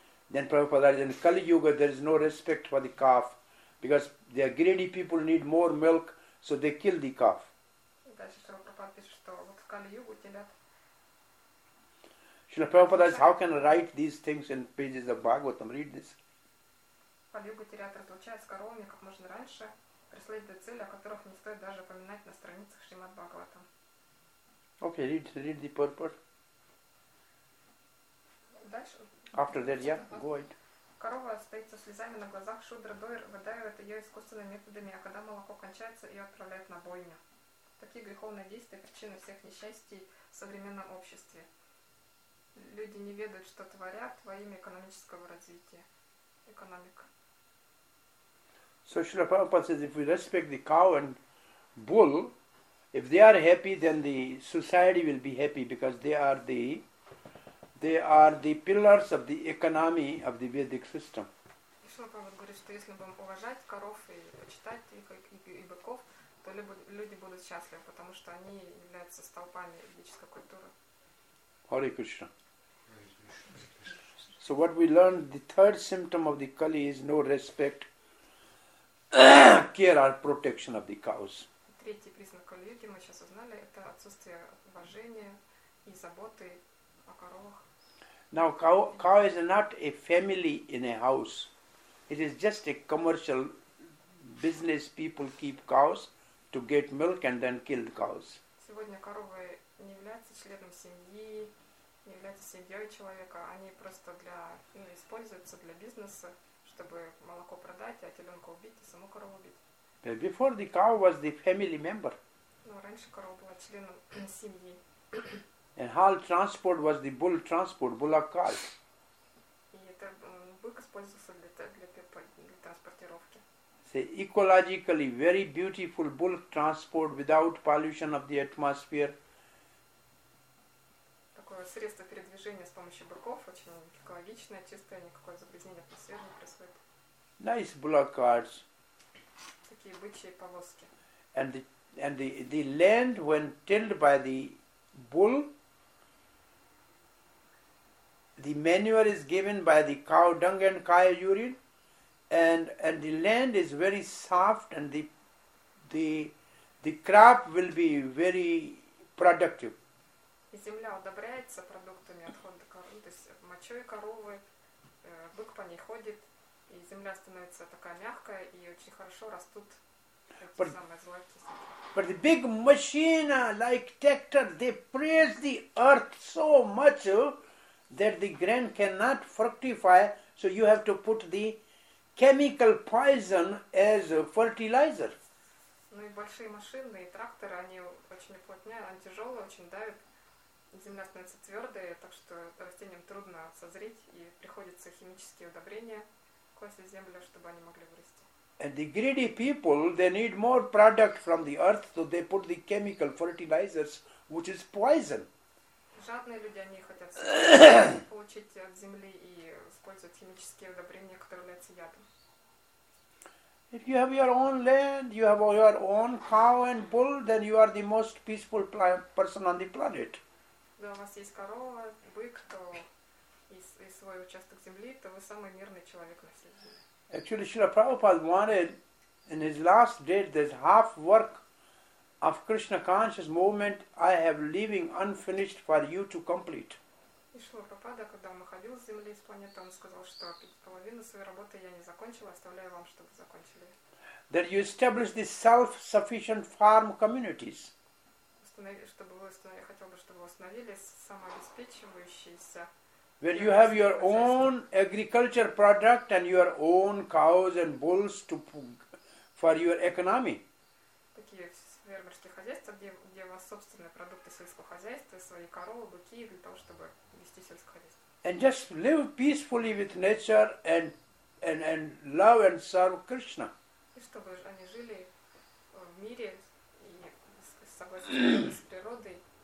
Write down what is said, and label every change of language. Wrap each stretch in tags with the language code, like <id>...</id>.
<en>Then Prabhupada says, in Kali Yuga there is no respect for the calf because the greedy people need more milk, so they kill the calf. Srila Prabhupada says, how can I write these things in pages of Bhagavatam? Read this.</en> <ru>Кали-юга теряет разлучаясь с коровами, как можно раньше, преследуя цели, о которых не стоит даже упоминать на страницах Шримад-Бхагаватам.</ru> <en>Okay, read the purport.</en> <ru>Дальше.</ru> <en>After that, yeah, go ahead.</en> <ru>Корова стоит со слезами на глазах, шудра дойр выдаивает ее искусственными методами, а когда молоко кончается, ее отправляют на бойню. Такие греховные действия – причины всех несчастий в современном обществе. Люди не ведают, что творят во имя экономического развития.</ru> <en>So Srila Prabhupada says, if we respect the cow and bull, if they are happy, then the society will be happy because they are the pillars of the economy of the Vedic system.</en> <ru>Srila Prabhupada говорит, что если будем уважать коров и почитать их и быков, то люди будут счастливы, потому что они являются столпами ведической культуры.</ru> <en>Hare Krishna. So what we learned, the third symptom of the Kali is no respect, care or protection of the cows.</en> <ru>Третий признак Кали-юги мы сейчас узнали, это отсутствие уважения и заботы о коровах.</ru> <en>Now cow is not a family in a house. It is just a commercial business. People keep cows to get milk and then kill the cows.</en> <ru>Сегодня коровы не являются членом семьи, не являются семьей человека. Они просто для, ну, используются для бизнеса, чтобы молоко продать, а теленка убить и саму корову убить.</ru> <en>Before the cow was the family member.</en> <ru>Но раньше корова была членом семьи.</ru> <en>And hal transport was the bull transport, bullock cart.</en> <ru>И это бык использовался для транспортировки.</ru> <en>Say ecologically very beautiful bulk transport without pollution of the atmosphere.</en> <ru>Такое средство передвижения с помощью быков очень экологичное, чистое, никакого загрязнения атмосферы не происходит.</ru> <en>Nice bullock carts.</en> <ru>Такие бычьи повозки.</ru> <en>And the land when tilled by the bull, the manure is given by the cow dung and cow urine. And the land is very soft, and the crop will be very productive.</en> <ru>И земля удобряется продуктами отхода коров, то есть мочой коровы, бык по ней ходит, и земля становится такая мягкая, и очень хорошо растут эти самые злые кислоты.</ru> <en>But the big machine, like tractor, they press the earth so much that the grain cannot fructify, so you have to put the chemical poison as a fertilizer.</en> <ru>Ну и большие машины и тракторы, они очень уплотняют, они тяжелые, очень давят. Земля становится твердой, так что растениям трудно созреть, и приходится химические удобрения класть в землю, чтобы они могли вырасти.</ru> <en>And the greedy people, they need more product from the earth, so they put the chemical fertilizers, which is poison.</en> <ru>Жадные люди, они хотят получить от земли и используют химические удобрения, которые являются ядом.</ru> <en>If you have your own land, you have your own cow and bull, then you are the most peaceful person on the planet.</en> <ru>Да, у вас есть корова, бык, то и свой участок земли, то вы самый мирный человек на земле.</ru> <en>Actually, Srila Prabhupada wanted, in his last days, this half work of Krishna conscious movement I have leaving unfinished for you to complete.</en> <ru>И Шрила Прабхупада, когда он уходил с земли, с планеты, он сказал, что половину своей работы я не закончила, оставляю вам, чтобы закончили.</ru> <en>That you establish the self-sufficient farm communities.</en> <ru>Чтобы вы установили самообеспечивающиеся.</ru> <en>Where you have your own agriculture product and your own cows and bulls to for your economy.</en> <ru>Такие фермерские хозяйства, где у вас собственные продукты сельского хозяйства, свои коровы, быки для того, чтобы вести сельское хозяйство.</ru> <en>And just live peacefully with nature and love and serve Krishna.</en> <ru>И чтобы они жили в мире и согласно с природой.</ru>